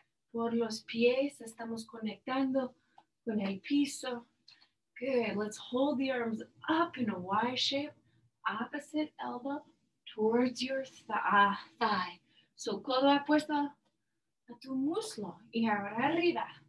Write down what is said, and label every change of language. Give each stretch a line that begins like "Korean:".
Spanish: Por los pies, estamos conectando con el piso.
English: Good, let's hold the arms up in a Y shape. Opposite elbow towards your thigh.
Spanish: So, codo apuesto a tu muslo y ahora arriba.